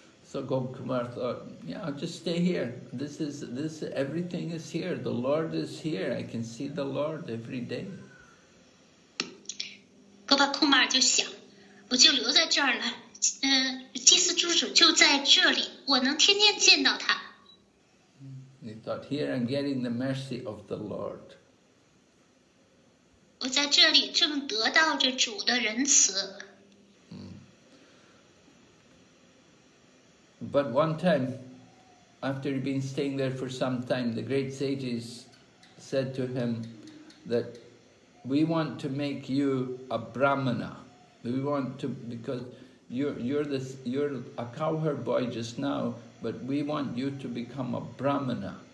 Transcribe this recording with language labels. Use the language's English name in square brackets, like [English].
[English] So Gop Kumar thought, yeah, I'll just stay here. This is everything is here. The Lord is here. I can see the Lord every day. [Chinese] Gop Kumar 就想，我就留在这儿了。祭祀之主就在这里，我能天天见到他。 [English] He thought, here I'm getting the mercy of the Lord. [Chinese] 我在这里正得到着主的仁慈。 [English] But one time, after he'd been staying there for some time, the great sages said to him that we want to make you a brahmana. We want to, because you're a cowherd boy just now, but we want you to become a brahmana.